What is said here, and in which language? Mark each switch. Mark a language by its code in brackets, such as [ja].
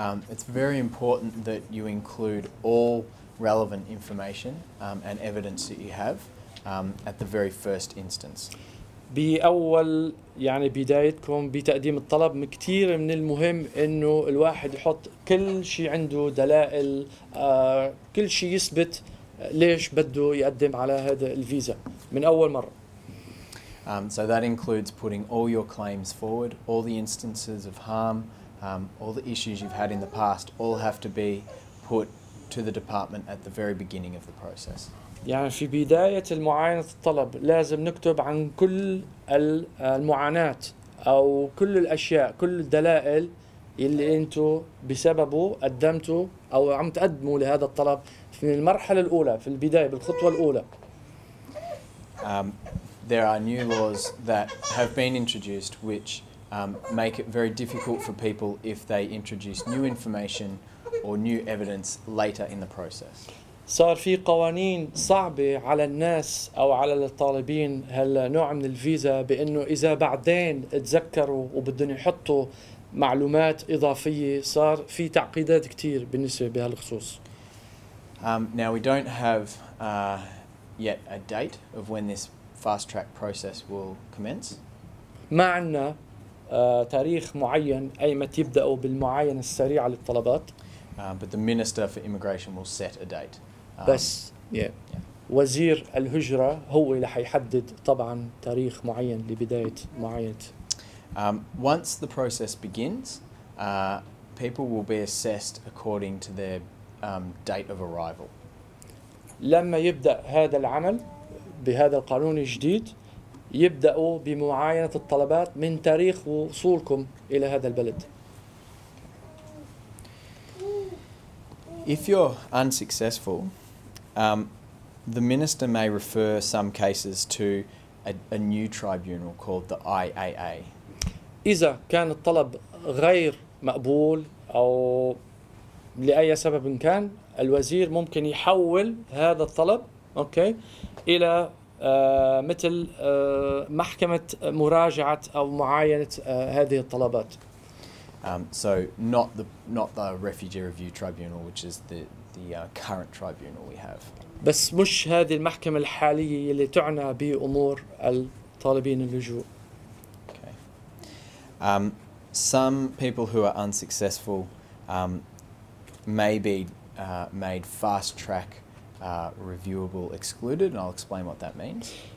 [en] It's very important that you include all relevant information and evidence that you have at the very first instance. [ar] بأول يعني بدايتكم بتقديم الطلب كتير من المهم إنه الواحد يحط كل شيء عنده دلائل كل شيء يثبت ليش بده يقدم على هذا الفيزا من أول مرة. [en] So that includes putting all your claims forward, all the instances of harm, all the issues you've had in the past, all have to be put to the department at the very beginning of the process. [ar] يعني في بداية المعاينة الطلب لازم نكتب عن كل المعاناة أو كل الأشياء كل الدلائل اللي أنتوا بسببه قدمتوا أو عم تقدموا لهذا الطلب في المرحلة الأولى في البداية بالخطوة الأولى. [en] There are new laws that have been introduced which make it very difficult for people if they introduce new information or new evidence later in the process. [ar] صار في قوانين صعبة على الناس أو على الطالبين هالنوع من الفيزا بأنه إذا بعدين تذكروا وبدهم يحطوا معلومات إضافية صار في تعقيدات كتير بالنسبة بهالخصوص. [en] Now we don't have yet a date of when this fast track process will commence. [ar] ما عندنا تاريخ معين أي متى يبدأوا بالمعاينة السريعة للطلبات. [en] But the Minister for Immigration will set a date. [ar] بس وزير الهجرة هو اللي حيحدد طبعاً تاريخ معين لبداية معاينة. [en] Once the process begins, people will be assessed according to their date of arrival. [ar] لما يبدأ هذا العمل بهذا القانون الجديد يبدأوا بمعاينة الطلبات من تاريخ وصولكم إلى هذا البلد. [en] If you're unsuccessful, the minister may refer some cases to a new tribunal called the IAA. [ar] إذا كان الطلب غير مقبول أو لأي سبب إن كان الوزير ممكن يحول هذا الطلب أوكي إلى مثل محكمة مراجعة أو معاينة هذه الطلبات. [en] So not the Refugee Review Tribunal, which is the current tribunal we have. [ar] بس مش هذه المحكمة الحالية اللي تعنى بأمور الطالبين اللجوء. [en] Okay. Some people who are unsuccessful may be made fast track reviewable excluded, and I'll explain what that means.